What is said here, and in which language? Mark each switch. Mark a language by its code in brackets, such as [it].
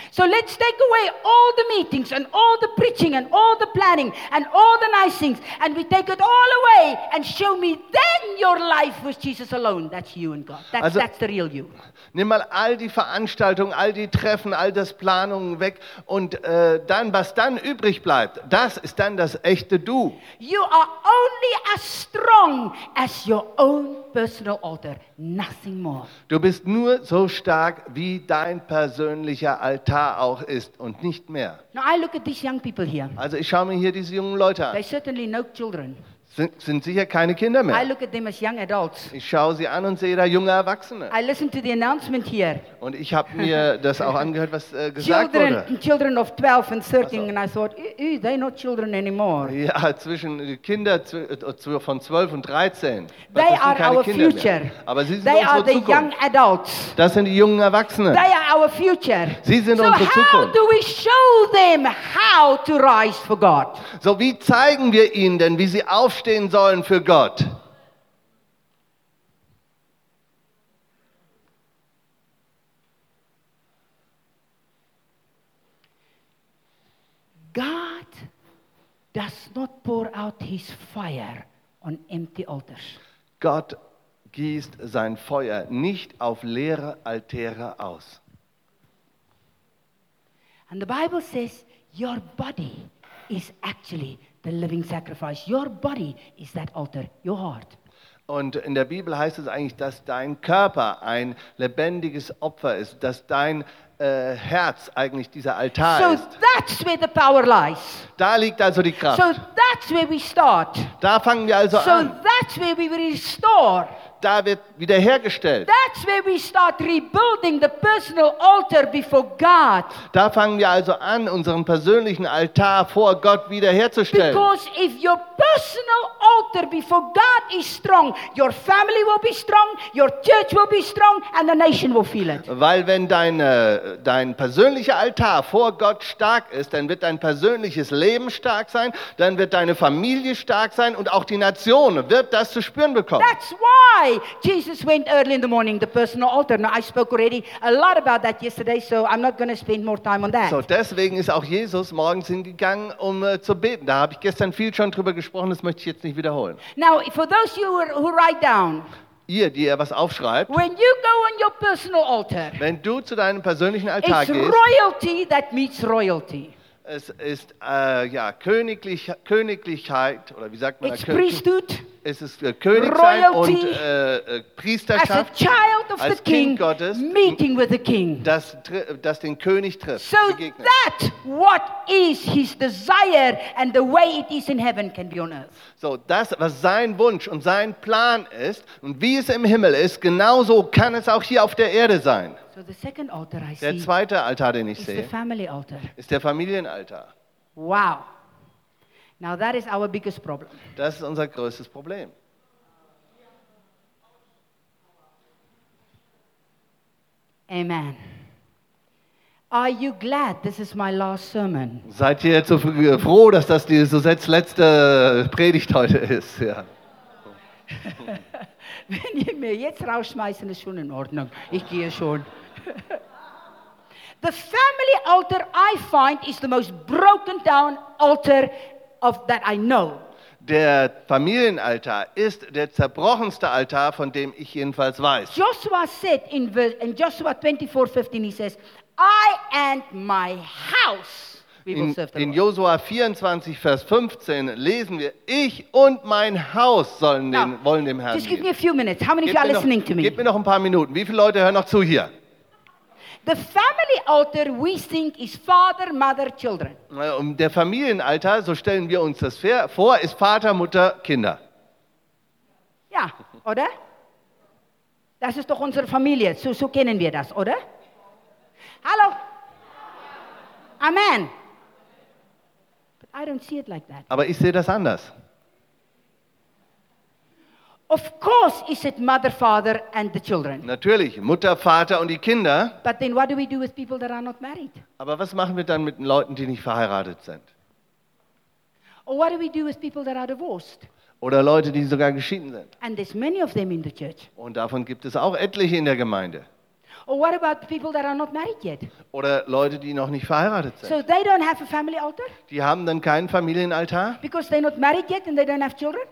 [en] So let's take away all the meetings and all the preaching and all the planning and all the nice things and we take it all away and show me then your life with Jesus alone. That's you and God. That's the real you. [de] Nimm mal all die Veranstaltungen, all die Treffen, all das Planungen weg und dann, was dann übrig bleibt, das ist dann das echte Du. [en] You are only as strong as your own personal altar, nothing more. [de] Du bist nur so stark, wie dein persönlicher Altar auch ist und nicht mehr. [en] Now I look at these young people here. [de] Also ich schaue mir hier diese jungen Leute an. [en] They certainly no children. [de] Sind sicher keine Kinder mehr. [en] I look at them as young adults. [de] Ich schaue sie an und sehe da junge Erwachsene. [en] I listen to the announcement here. [de] Und ich habe mir das auch angehört, was gesagt [en] children, [de] wurde. [en] Children of 12 and 13, so. And I thought, they're not children anymore. [de] Ja, zwischen Kinder von 12 und 13. [en] They are our future. [de] Aber sie sind [en] they [de] unsere [en] are the [de] Zukunft. [en] Young adults. [de] Das sind die jungen Erwachsenen. [en] They are our future. [de] Sie sind so unsere Zukunft. [en] How do we show them how to rise for God? [de] So wie zeigen wir ihnen denn, wie sie aufstehen sollen für Gott. [en] God does not pour out his fire on empty altars. [de] Gott gießt sein Feuer nicht auf leere Altäre aus. [en] And the Bible says your body is actually the living sacrifice. Your body is that altar, your heart. [de] Und in der Bibel heißt es eigentlich, dass dein Körper ein lebendiges Opfer ist, dass dein Herz eigentlich dieser Altar [en] So that's where the power lies. [de] Da liegt also die Kraft. [en] So that's where we start. [de] Da fangen wir also so an. [en] So that's where we restore. [de] Da wird wiederhergestellt. [en] That's where we start rebuilding the personal altar before God. [de] Da fangen wir also an, unseren persönlichen Altar vor Gott wiederherzustellen. [en] Because if your personal altar before God is strong, your family will be strong, your church will be strong, and the nation will feel it. [de] Weil wenn dein persönlicher Altar vor Gott stark ist, dann wird dein persönliches Leben stark sein, dann wird deine Familie stark sein und auch die Nation wird das zu spüren bekommen. [en] That's why Jesus went early in the morning, the personal altar. Now I spoke already a lot about that yesterday, so I'm not going to spend more time on that. [de] So deswegen ist auch Jesus morgens hingegangen, um zu beten. Da habe ich gestern viel schon drüber gesprochen, das möchte ich jetzt nicht wiederholen. [en] Now, for those of you who write down, [de] ihr, die ihr was aufschreibt, [en] when you go on your personal altar, [de] wenn du zu deinem persönlichen Altar [en] it's [de] gehst, [en] royalty that meets royalty. [de] Es ist ja, Königlichkeit, oder wie sagt man [en] it's da? Priesthood. [de] Es ist Königsein und Priesterschaft, [en] as a child of [de] als [en] the king, [de] Gottes, [en] meeting with the king. [de] Das den König trifft. [en] So that what is his desire and the way it is in heaven can be on earth. [de] So das, was sein Wunsch und sein Plan ist und wie es im Himmel ist, genauso kann es auch hier auf der Erde sein. [en] So the second altar I [de] der zweite Altar, den ich sehe, [en] the family altar. [de] Ist der Familienaltar. [en] Wow. Now that is our biggest problem. [de] Das ist unser größtes Problem. [en] Amen. Are you glad this is my last sermon? [de] Seid ihr jetzt so froh, dass das die Suzettes letzte Predigt heute ist? Ja. Wenn ihr mir jetzt rausschmeißen, ist schon in Ordnung. Ich gehe schon. [en] The family altar I find is the most broken down altar of that I know. [de] Der Familienaltar ist der zerbrochenste Altar, von dem ich jedenfalls weiß. [en] Joshua said in Joshua 24:15, he says, I and my house. [de] In Josua 24, Vers 15 lesen wir, ich und mein Haus sollen den, now, wollen dem Herrn dienen. [en] Just give me a few minutes. How many of you are listening to me? [de] Gib mir noch ein paar Minuten. Wie viele Leute hören noch zu hier? [en] The family altar we think is father, mother, children. [de] Der Familienaltar, so stellen wir uns das vor, ist Vater, Mutter, Kinder. Ja, oder? Das ist doch unsere Familie. So kennen wir das, oder? Hallo? Amen. [en] But I don't see it like that. [de] Aber ich sehe das anders. [en] Of course is it mother, father and the children. [de] Natürlich, Mutter, Vater und die Kinder. [en] But then what do we do with people that are not married? [de] Aber was machen wir dann mit den Leuten, die nicht verheiratet sind? [en] Or what do we do with people that are divorced? [de] Oder Leute, die sogar geschieden sind. [en] And there's many of them in the church. [de] Und davon gibt es auch etliche in der Gemeinde. [en] Or what about people that are not married yet? [de] Oder Leute, die noch nicht verheiratet sind. [en] So they don't have a family altar? [de] Die haben dann keinen Familienaltar? [en] Because they're not married yet and they don't have children?